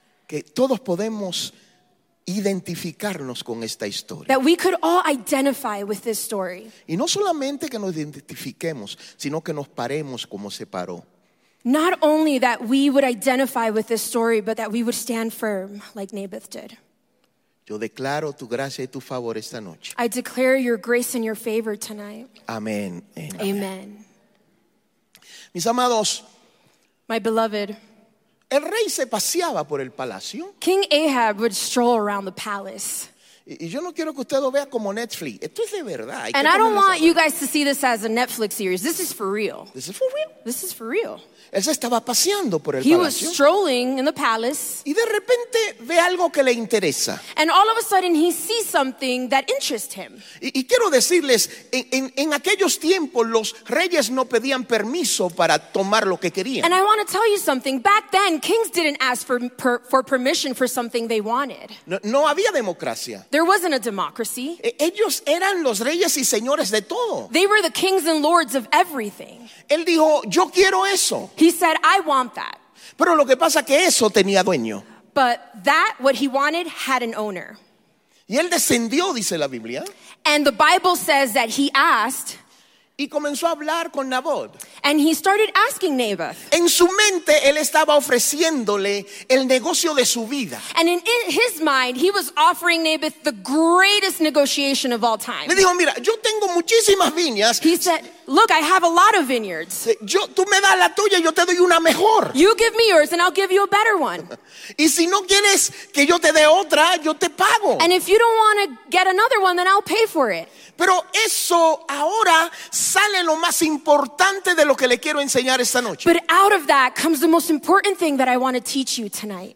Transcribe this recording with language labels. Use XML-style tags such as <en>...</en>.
<es>Que todos podemos identificarnos con esta historia.</es> <en>That we could all identify with this story.</en> <es>Y no solamente que nos identifiquemos, sino que nos paremos como se paró.</es> <en>Not only that we would identify with this story, but that we would stand firm like Naboth did.</en> <es>Yo declaro tu gracia y tu favor esta noche.</es> <en>I declare your grace and your favor tonight.</en> <es>Amén.</es> <en>Amen. Amen.</en> <es>Mis amados,</es> <en>my beloved,</en> <es>el rey se paseaba por el palacio.</es> <en>King Ahab would stroll around the palace.</en> <es>Y yo no quiero que usted lo vea como Netflix. Esto es de verdad.</es> <en>And I don't want you guys to see this as a Netflix series. This is for real. This is for real. This is for real.</en> <es>Él se estaba paseando por el palacio.</es> <en>was strolling in the palace.</en> <es>Y de repente ve algo que le interesa.</es> <en>And all of a sudden he sees something that interests him.</en> <es>Y quiero decirles, en aquellos tiempos los reyes no pedían permiso para tomar lo que querían.</es> <en>And I want to tell you something. Back then, kings didn't ask for permission for something they wanted.</en> <es>No había democracia.</es> <en>There wasn't a democracy.</en> <es>Ellos eran los reyes y señores de todo.</es> <en>They were the kings and lords of everything.</en> <es>Él dijo, yo quiero eso.</es> <en>He said, I want that.</en> <es>Pero lo que pasa que eso tenía dueño.</es> <en>But that, what he wanted, had an owner.</en> <es>Y él descendió, dice la Biblia.</es> <en>And the Bible says that he asked.</en> <es>Y comenzó a hablar con Naboth.</es> <en>And he started asking Naboth.</en> <es>En su mente, él estaba ofreciéndole el negocio de su vida.</es> <en>And in his mind, he was offering Naboth the greatest negotiation of all time.</en> <es>Le dijo, mira, yo tengo muchísimas viñas.</es> <en>He said, look, I have a lot of vineyards.</en> <es>Tú me das la tuya y yo te doy una mejor.</es> <en>You give me yours and I'll give you a better one.</en> <es>Y si no quieres que yo te dé otra, yo te pago.</es> <en>And if you don't want to get another one, then I'll pay for it.</en> <es>Pero eso ahora sale lo más importante de lo que le quiero enseñar esta noche.</es> <en>But out of that comes the most important thing that I want to teach you tonight.</en>